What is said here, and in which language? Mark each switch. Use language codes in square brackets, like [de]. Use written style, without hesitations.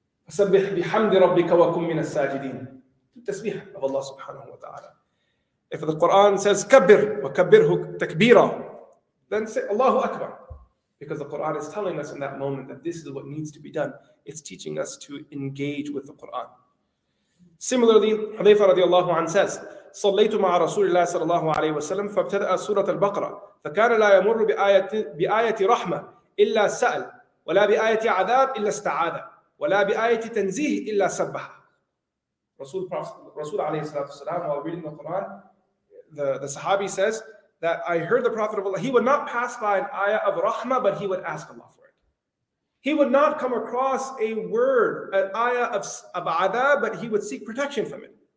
[ar] Sabbih bihamdi rabbika wa kum minas sajideen. [en] Do tasbih of Allah subhanahu wa ta'ala. If the Quran says [ar] kabbir wa kabbirhu takbira, [en] then say Allahu Akbar. Because the Quran is telling us in that moment that this is what needs to be done. It's teaching us to engage with the Quran. Similarly, Hudhayfa radiallahu anhu says, [ar] صليت مع رسول الله صلى الله عليه وسلم فابتدأ سورة البقرة فكان لا يمر بآية رحمة إلا سأل ولا بآية عذاب إلا استعاذ ولا بآية تنزيه إلا سبح. رسول عليه الصلاة والسلام, [en] while reading the Quran, the Sahabi says that I heard the Prophet of Allah, he would not pass by an ayah of rahmah, but he would ask Allah for it. He would not come across a word, an ayah of adab, but he would seek protection from it.